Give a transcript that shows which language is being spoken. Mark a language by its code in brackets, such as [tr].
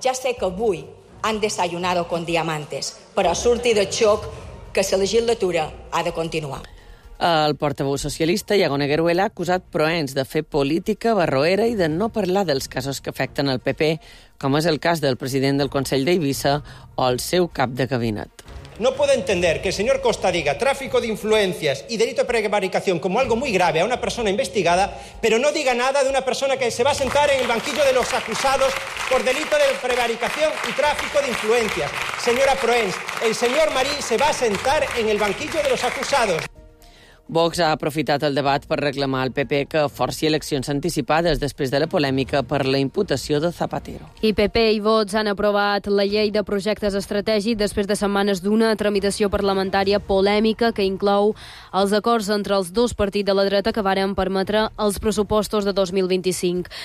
[ca] Ja sé que avui [es] han desayunado con diamantes, [ca] però surti de xoc que sa legislatura ha de continuar. El portaveu socialista, Iago Negueruela, ha acusat Proens de fer política barroera i de no parlar dels casos que afecten el PP, com és el cas del president del Consell d'Eivissa o el seu cap de gabinet. [es] No puedo entender que el señor Costa diga tráfico de influencias y delito de prevaricación como algo muy grave a una persona investigada, pero no diga nada de una persona que se va a sentar en el banquillo de los acusados por delito de prevaricación y tráfico de influencias. Señora Proens, el señor Marín se va a sentar en el banquillo de los acusados. [ca] Vox ha aprofitat el debat per reclamar al PP que forci eleccions anticipades després de la polèmica per la imputació de Zapatero. I PP i Vox han aprovat la llei de projectes estratègics després de setmanes d'una tramitació parlamentària polèmica que inclou els acords entre els dos partits de la dreta que varen permetre els pressupostos de 2025.